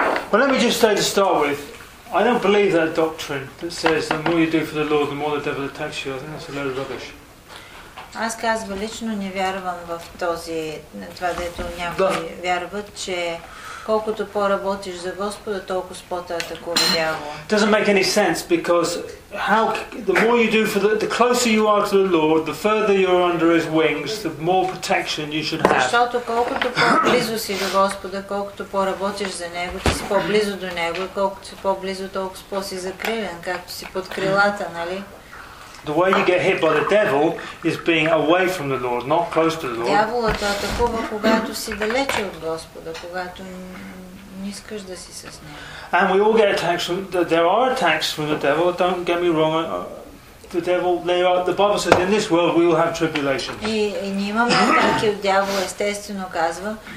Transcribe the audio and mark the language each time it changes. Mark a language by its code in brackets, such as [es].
[en] Well, let me just say to start with, I don't believe that doctrine that says the more you do for the Lord, the more the devil attacks you. I think that's a load of rubbish. [bg] Аз казвам, лично не вярвам в този, това, дето някои вярват, че колкото по-работиш за Господа, толкова спота атакува дявола. [en] Doesn't make any sense, because how the more you do for the closer you are to the Lord, the further you are under his wings, the more protection you should have. [bg] Защото колкото по-близо си до Господа, колкото по-работиш за него, ти си по-близо до него, и колкото си по-близо, толкова по-си закрилен, както си под крилата, нали? [en] The way you get hit by the devil is being away from the Lord, not close to the Lord. [bg] Дяволът атакува, когато си далеч от Господа, когато не искаш да си с Него. [en] And we all get attacks from, there are attacks from the devil, don't get me wrong. The devil, they are, the Bible says, in this world we will have tribulations. [bg] И ние имаме атаки от дявола, естествено казва.